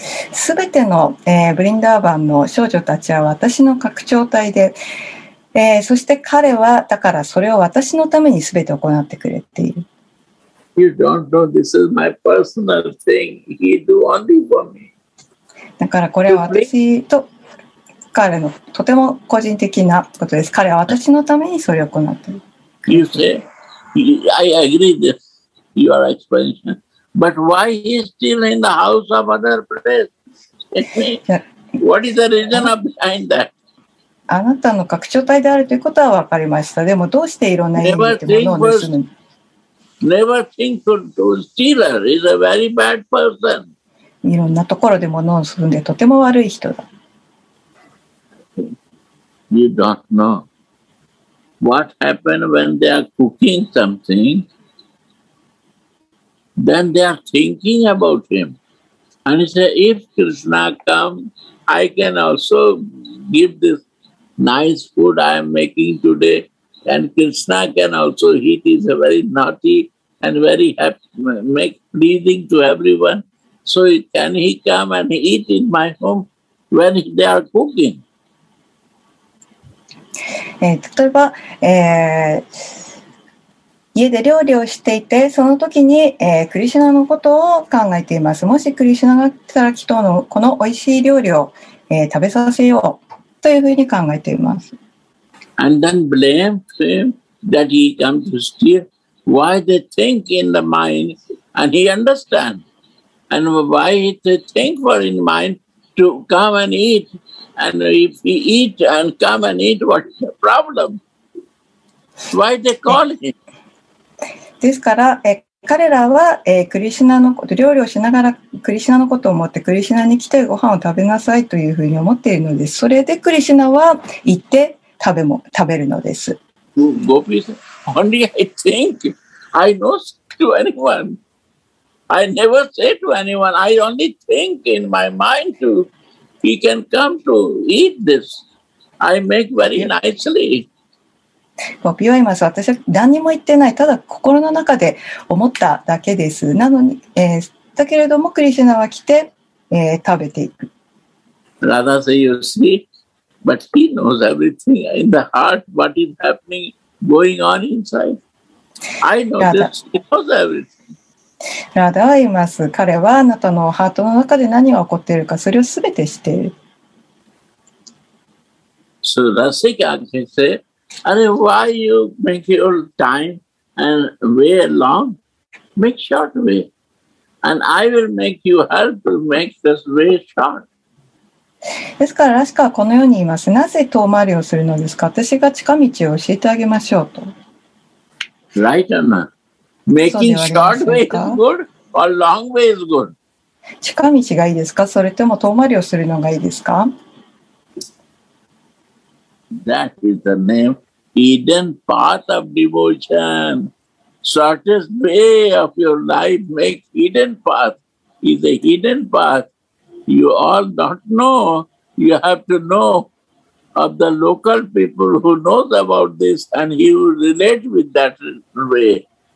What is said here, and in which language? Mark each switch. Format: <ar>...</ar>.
<ja>すべての、ブリンダーバンの少女たちは私の拡張体で、そして彼はだからそれを私のためにすべて行ってくれている。</ja> <en>You don't know this is my personal thing. He do only for me.</en> <ja>だからこれは私と彼のとても個人的なことです。彼は私のためにそれを行っている。</ja> <en>You say, I agree this, your explanation. But why he is still in the house of other place? What is the reason behind that?</en> <ja>あなたの拡張体であるということは分かりました。でもどうしていろんな意味でものを盗むの</ja> <en>Never think to stealer is a very bad person.</en> <ja>いろんなところで物を盗んでとても悪い人だ。</ja> <en>You don't know what happened when they are cooking something. Then they are thinking about him, and he said, "If Krishna comes, I can also give this nice food I am making today, and Krishna can also eat. He is a very naughty and very happy, make pleasing to everyone." So can he come and eat in my home when they are cooking?</en> <ja>例えば、家で料理をしていて、その時に、クリシュナのことを考えています。もしクリシュナが来たら、きっとこの美味しい料理を、食べさせようというふうに考えています。</ja> <en>And then blame him that he comes to steal. Why they think in the mind and he understands. And why he think for in mind to come and eat? And if he eat and come and eat, what's the problem? Why they call him?</en> <ja>ですから、彼らは、クリシュナのこと料理をしながらクリシュナのことを思ってクリシュナに来てご飯を食べなさいというふうに思っているのです。それでクリシュナは行って食べるのです。</ja> <en>ゴピさん、only I think I know to anyone. I never say to anyone, I only think in my mind to, he can come to eat this. I make very nicely.</en> <ja>ポピは言います。私は何にも言ってない。ただ心の中で思っただけです。なのに、だけれどもクリシュナは来て、食べていく。</ja> <en>Radha says, you see, but he knows everything in the heart, what is happening, going on inside. I know this, he knows everything.</en> <ja>ラダは言います。彼はあなたのハートの中で何が起こっているか、それをすべて知っている。</ja> <en>So Rasika can say, "Are why you make your time and way long? Make short way, and I will make you help to make this way short."</en> <ja>ですからラシカはこのように言います。なぜ遠回りをするのですか。私が近道を教えてあげましょうと。</ja> <en>Right or not? Making short way is good or long way is good?</en> <ja>近道がいいですか？それとも遠回りをするのがいいですか？</ja> <en>That is the name, hidden path of devotion. Shortest way of your life, make hidden path. Is a hidden path. You all don't know. You have to know of the local people who knows about this, and he will relate with that way.</en>